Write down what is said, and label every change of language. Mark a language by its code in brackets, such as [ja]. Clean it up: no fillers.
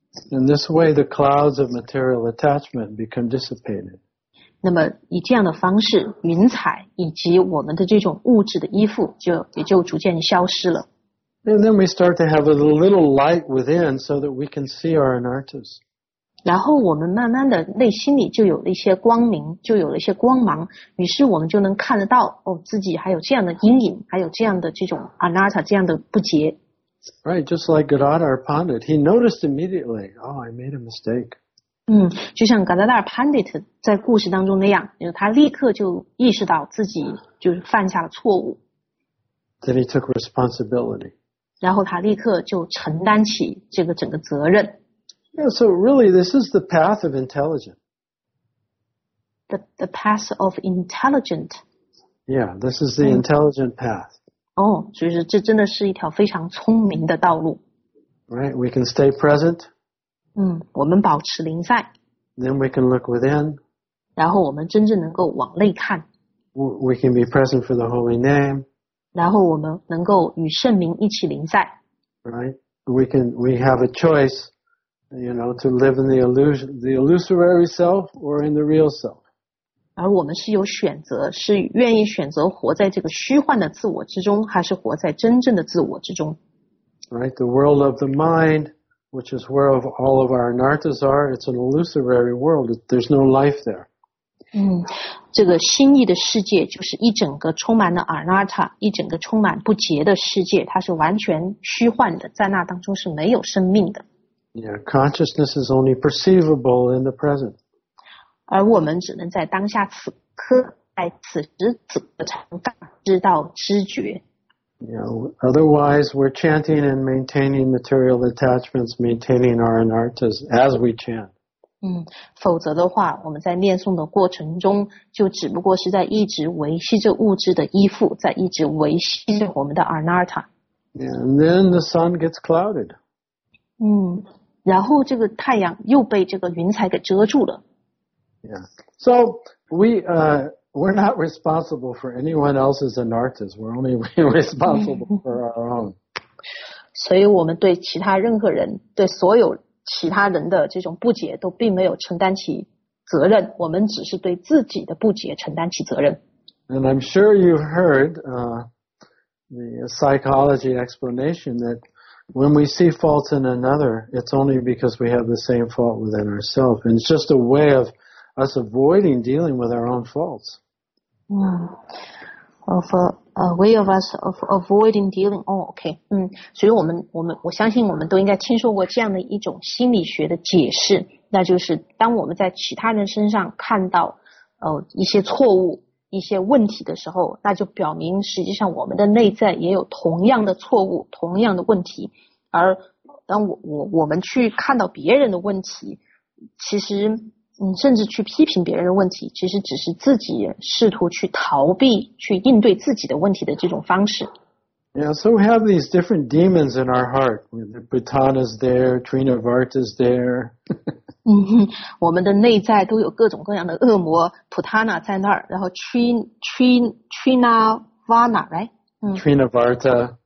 [en] In this way, the clouds of material attachment become dissipated. [zh] 那么以这样的方式，云彩以及我们的这种物质的依附也就逐渐消失了。 [en] And then we start to have a little light within so that we can see our anartas. [zh] 然后我们慢慢的内心里就有了一些光明，就有了一些光芒，于是我们就能看得到哦，自己还有这样的阴影，还有这样的这种 anarta 这样的不洁。 [en] Right, just like Gadadhar Pandit, he noticed immediately, oh, I made a mistake. [zh] 就像 Gadadhar Pandit 在故事当中那样，他立刻就意识到自己就是犯下了错误。 [en] Then he took responsibility. [zh] 然后他立刻就承担起这个整个责任。 [en] Yeah, so really, this is the path of intelligent. The path of intelligent. Yeah, this is the intelligent path. [zh] 所以这真的是一条非常聪明的道路。 [en] Right, we can stay present. [zh] 我们保持临在。 [en] Then we can look within. [zh] 然后我们真正能够往内看。 [en] We can be present for the holy name. [zh] 然后我们能够与圣名一起临在。 [en] Right, we have a choice. You know, to live in the illusory self or in the real self. [zh] 而我们是有选择，是愿意选择活在这个虚幻的自我之中，还是活在真正的自我之中。 [en] Right, the world of the mind, which is where of all of our anartas are, it's an illusory world. There's no life there. [zh] 这个心意的世界就是一整个充满了 anarta, 一整个充满不洁的世界，它是完全虚幻的，在那当中是没有生命的。 [en] Yeah, consciousness is only perceivable in the present. [zh] 而我们只能在当下此刻，在此时此刻才能感知到知觉。 [en] Otherwise, we're chanting and maintaining material attachments, maintaining our anartas as we chant. [zh] 否则的话，我们在念诵的过程中，就只不过是在一直维系着物质的依附，在一直维系着我们的 anarta. [en] And then the sun gets clouded. [zh] 然后这个太阳又被这个云彩给遮住了。 [en] Yeah. So we're not responsible for anyone else's anartas. We're only responsible for our own. [zh] 所以我们对其他任何人，对所有其他人的这种不解都并没有承担起责任。我们只是对自己的不解承担起责任。 [en] And I'm sure you've heard the psychology explanation that. When we see faults in another, it's only because we have the same fault within ourselves. And it's just a way of us avoiding dealing with our own faults. Of a way of us of avoiding dealing. Oh, okay. [zh] 所以我相信我们都应该听说过这样的一种心理学的解释，那就是当我们在其他人身上看到一些错误、一些问题的时候，那就表明实际上我们的内在也有同样的错误、同样的问题。而当我们去看到别人的问题，其实甚至去批评别人的问题，其实只是自己试图去逃避、去应对自己的问题的这种方式。 [en] Yeah, so we have these different demons in our heart. Bhutana's there, Trinavarta's there. [zh] 我们的内在都有各种各样的恶魔 ，Bhutana 在那儿，然后 Trinavarta, [en] right? Trinavarta.